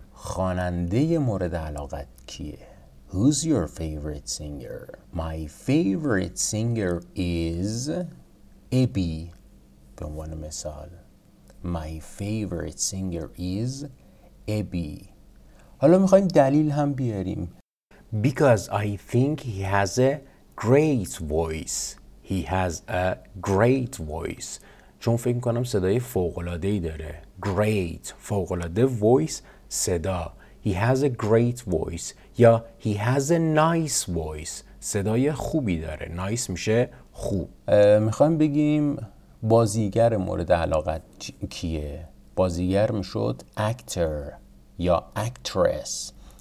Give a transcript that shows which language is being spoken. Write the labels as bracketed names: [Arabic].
[Persian] خواننده مورد علاقت کیه؟ [English] Who's your favorite singer? My favorite singer is Abby. [Persian] به عنوان مثال [English] My favorite singer is Abby. [Persian] حالا میخواییم دلیل هم بیاریم. [English] Because I think he has a great voice. He has a great voice. [Persian] چون فکر میکنم صدای فوقلادهی داره. [English] Great. فوقلاده. Voice. صدا. He has a great voice. یا he has a nice voice. [Persian] صدای خوبی داره. Nice میشه خوب. میخواییم بگیم بازیگر مورد علاقت کیه؟ بازیگر میشد actor یا actress.